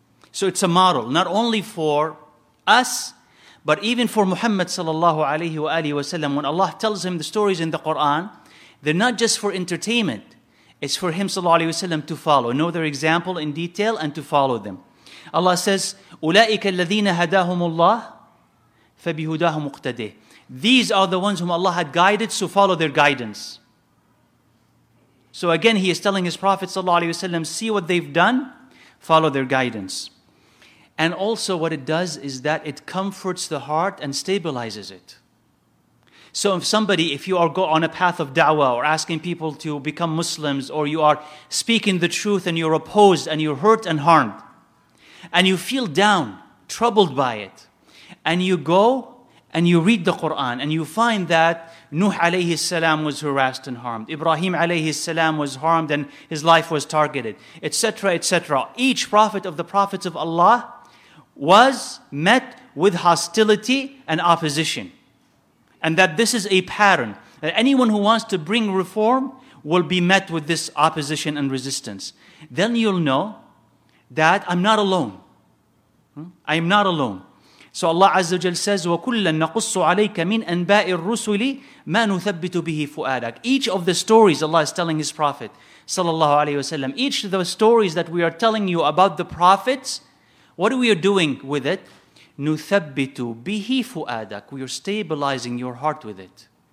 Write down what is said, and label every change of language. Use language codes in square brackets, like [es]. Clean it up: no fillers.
[en] So it's a model, not only for us, but even for Muhammad Sallallahu Alaihi Wa Alihi Wasallam. When Allah tells him the stories in the Quran, they're not just for entertainment. It's for him, sallallahu alayhi wa sallam, to follow. Know their example in detail and to follow them. Allah says, [ar] أُولَٰئِكَ الَّذِينَ هَدَاهُمُ اللَّهِ فَبِهُدَاهُمُ اُقْتَدِهِ. [en] These are the ones whom Allah had guided, so follow their guidance. So again, he is telling his Prophet, sallallahu alayhi wa sallam, see what they've done, follow their guidance. And also what it does is that it comforts the heart and stabilizes it. So if you are on a path of da'wah or asking people to become Muslims, or you are speaking the truth and you're opposed and you're hurt and harmed and you feel down, troubled by it, and you go and you read the Quran and you find that Nuh alayhi salam was harassed and harmed, Ibrahim alayhi salam was harmed and his life was targeted, etc., etc. Each prophet of the prophets of Allah was met with hostility and opposition. And that this is a pattern. That anyone who wants to bring reform will be met with this opposition and resistance. Then you'll know that I'm not alone. I am not alone. So Allah Azza wa Jal says, [ar] وَكُلَّا نَقُصُّ عَلَيْكَ مِنْ أَنْبَاءِ الرُّسُلِ مَا نُثَبِّتُ بِهِ فُؤَادَكَ. [en] Each of the stories Allah is telling His Prophet, sallallahu alayhi wa sallam, each of the stories that we are telling you about the prophets, what are we doing with it? [ar] نُثَبِّتُ بِهِ فُؤَادَكَ. [en] We are stabilizing your heart with it.